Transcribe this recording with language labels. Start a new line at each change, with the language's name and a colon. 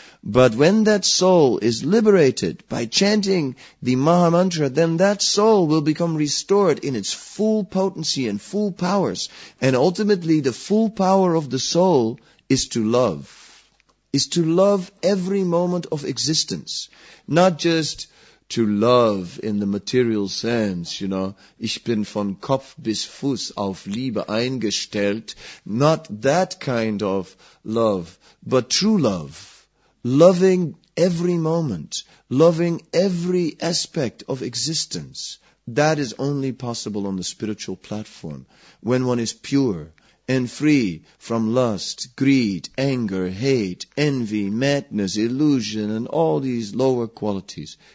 English: But when that soul is liberated by chanting the Maha Mantra, then that soul will become restored in its full potency and full powers. And ultimately the full power of the soul is to love. Is to love every moment of existence. Not just to love in the material sense, you know,
German: ich bin von Kopf bis Fuß auf Liebe eingestellt.
English: Not that kind of love, but true love. Loving every moment, loving every aspect of existence. That is only possible on the spiritual platform. When one is pure and free from lust, greed, anger, hate, envy, madness, illusion, and all these lower qualities.